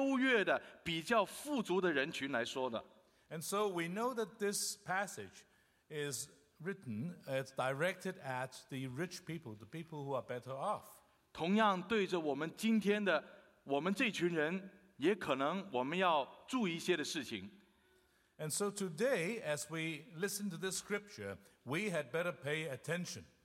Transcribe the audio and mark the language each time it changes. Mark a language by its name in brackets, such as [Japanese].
[Chinese] 所以这一篇的圣经是对着以色列那些比较优越的、比较富足的人群来说的。 [English] And so we know that this passage is written, it's directed at the rich people, the people who are better off. [Chinese] 同样对着我们今天的我们这群人。 [English] And so today, as we listen to this scripture, we had better pay attention.